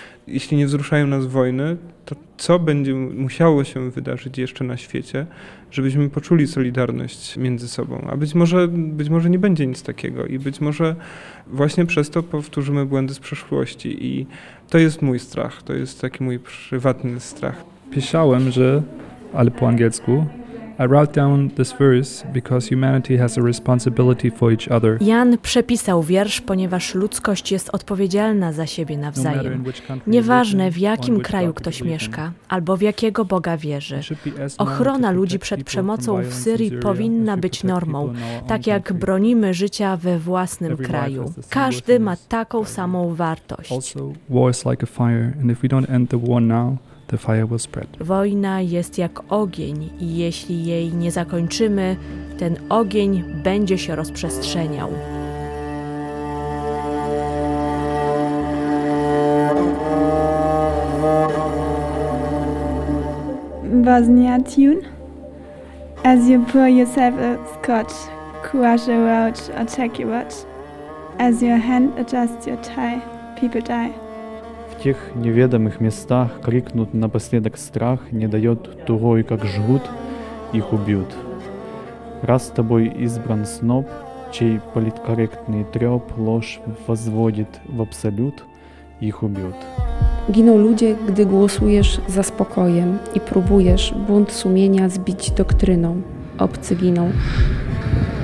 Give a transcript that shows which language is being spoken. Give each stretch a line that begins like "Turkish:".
Polish: Jeśli nie wzruszają nas wojny, to co będzie musiało się wydarzyć jeszcze na świecie, żebyśmy poczuli solidarność między sobą? A być może nie będzie nic takiego i być może właśnie przez to powtórzymy błędy z przeszłości. I to jest mój strach, to jest taki mój prywatny strach. Pisałem, że, ale po angielsku,
English: I wrote down this verse because humanity has a responsibility for each other.
Polish: Jan przepisał wiersz, ponieważ ludzkość jest odpowiedzialna za siebie nawzajem. Nieważne, w jakim kraju ktoś mieszka, albo w jakiego Boga wierzy. Ochrona ludzi przed przemocą w Syrii powinna być normą, tak jak bronimy życia we własnym kraju. Każdy ma taką samą wartość.
English: War is like a fire, and if we don't end the war now, the fire will spread.
Polish: Wojna jest jak ogień i jeśli jej nie zakończymy, ten ogień będzie się rozprzestrzeniał.
English: Bosniatun, as you pour yourself a scotch, crush a roach or check your watch, as your hand adjusts your tie, people die.
Russian: В тех неведомых местах крикнут напоследок страх, не дает тугой, как жгут, их убьют. Раз с тобой избран сноб, чей политкорректный треп ложь возводит в абсолют, их убьют.
Polish: Giną ludzie, gdy głosujesz za spokojem i próbujesz bunt sumienia zbić doktryną. Obcy giną.